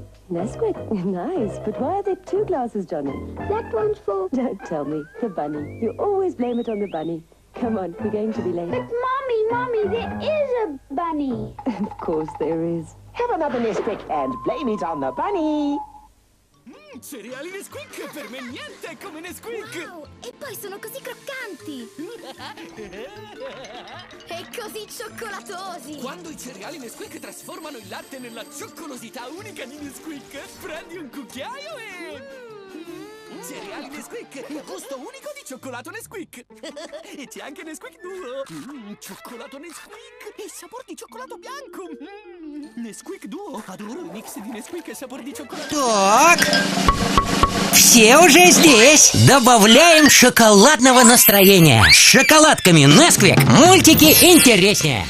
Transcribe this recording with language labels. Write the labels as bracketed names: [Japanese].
[English] Nesquik, nice, but why are there two glasses, Johnny? That one's full. Don't tell me, the bunny. You always blame it on the bunny. Come on, we're going to be late. But Mommy, Mommy, there is a bunny! Of course there is. Have another Nesquik and blame it on the bunny! [Italian] Cereali Nesquik, per me niente è come Nesquik! Wow, e poi sono così croccanti! E così cioccolatosi! Quando i cereali Nesquik trasformano il latte nella cioccolosità unica di Nesquik, prendi un cucchiaio e... Cereali Nesquik, il gusto unico di cioccolato Nesquik! E c'è anche Nesquik duo! Cioccolato Nesquik e sapore di cioccolato bianco! Nesquik duo, adoro il mix di Nesquik e sapore di cioccolato... [Russian] Так! Все уже здесь! Добавляем шоколадного настроения! С шоколадками Nesquik мультики интереснее!